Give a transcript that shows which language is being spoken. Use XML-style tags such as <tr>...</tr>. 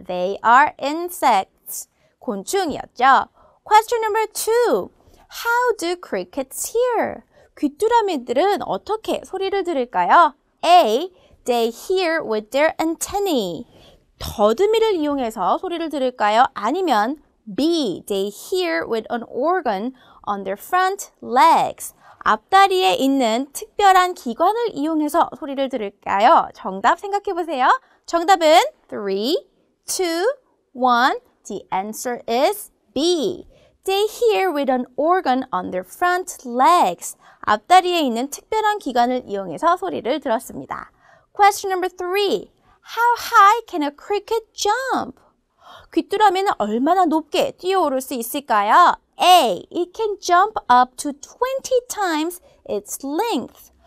<en>They are insects.</en> <ko>곤충이었죠?</ko> <en>Question number 2. How do crickets hear?</en> <ko>귀뚜라미들은 어떻게 소리를 들을까요?</ko> <en>A. They hear with their antennae.</en> <ko>더듬이를 이용해서 소리를 들을까요? 아니면 B.</ko> <en>They hear with an organ on their front legs.</en> <ko>앞다리에 있는 특별한 기관을 이용해서 소리를 들을까요? 정답 생각해 보세요. 정답은 3, 2, 1.</ko> <en>The answer is B. They hear with an organ on their front legs.</en> <ko>앞다리에 있는 특별한 기관을 이용해서 소리를 들었습니다.</ko> <en>Question number 3. How high can a cricket jump?</en> <ko>귀뚜라미는 얼마나 높게 뛰어오를 수 있을까요?</ko> <en>A. It can jump up to 20 times its length.</en>